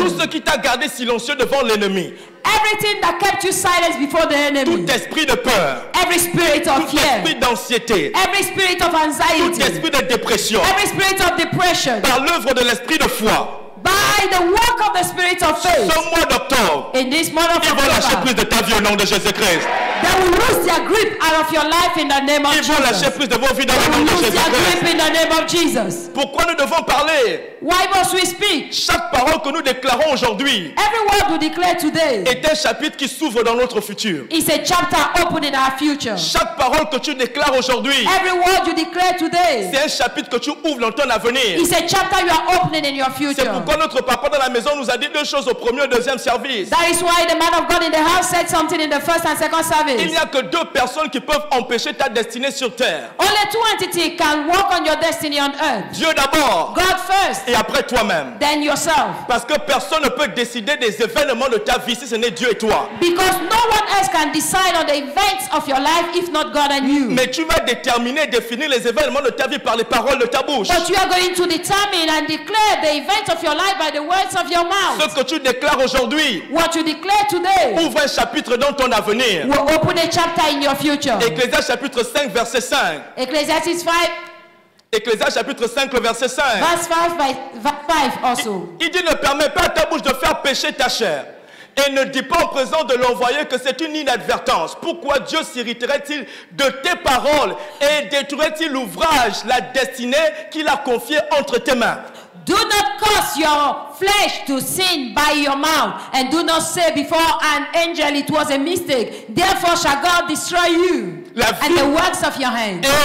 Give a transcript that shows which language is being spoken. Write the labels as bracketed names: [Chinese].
[French] Tout ce qui t'a gardé silencieux devant l'ennemi. [English] Everything that kept you silent before the enemy. [French] Tout esprit de peur. [English] Every spirit of fear. [French] Tout esprit d'anxiété. [English] Every spirit of anxiety. [French] Tout esprit de dépression. [English] Every spirit of depression. [French] Par l'œuvre de l'esprit de foi. [English] By the work of the spirit of faith. [French] Ce mois d'octobre. [English] In this month of October. [French] Ils vont lâcher prise de ta vie au nom de Jésus Christ. [English] They will lose their grip out of your life in the name of Jesus. [French] Ils vont lâcher prise de vos vies dans le nom de Jésus Christ. [English] They will lose their grip in the name of Jesus. [French] Pourquoi nous devons parler? [English] Why must we speak? [French] Chaque parole que nous déclarons aujourd'hui. [English] Every word we declare today. [French] Est un chapitre qui s'ouvre dans notre futur. [English] Is a chapter opening our future. [French] Chaque parole que tu déclares aujourd'hui. [English] Every word you declare today. [French] C'est un chapitre que tu ouvres dans ton avenir. [English] Is a chapter you are opening in your future. [French] C'est pourquoi notre papa dans la maison nous a dit deux choses au premier et deuxième service. [English] That is why the man of God in the house said something in the first and second service. [French] Il n'y a que deux personnes qui peuvent empêcher ta destinée sur terre. [English] Only two entities can work on your destiny on earth. [French] Dieu d'abord. [English] God first. [French] Et après toi-même. [English] Then yourself. [French] Parce que personne ne peut décider des événements de ta vie si ce n'est Dieu et toi. [English] Because no one else can decide on the events of your life if not God and you. [French] Mais tu vas déterminer, définir les événements de ta vie par les paroles de ta bouche. [English] But you are going to determine and declare the events of your life by the words of your mouth. [French] Ce que tu déclares aujourd'hui. [English] What you declare today. [French] Ouvre un chapitre dans ton avenir. [English] Will open a chapter in your future. [French] Ecclésiastes chapitre 5 verset 5. [English] Ecclesiastes 5. [French] Ecclésiastes chapitre 5 verset 5. [English] Verse 5 also. [French] Il dit ne permet pas à ta bouche de faire pécher ta chair. Et ne dis pas en présence de l'envoyé que c'est une inadvertance. Pourquoi Dieu s'irriterait-il de tes paroles et détruirait-il l'ouvrage, la destinée qu'il a confiée entre tes mains? [English] Do not cause your flesh to sin by your mouth, and do not say before an angel it was a mistake. Therefore shall God destroy you and the works of your hands.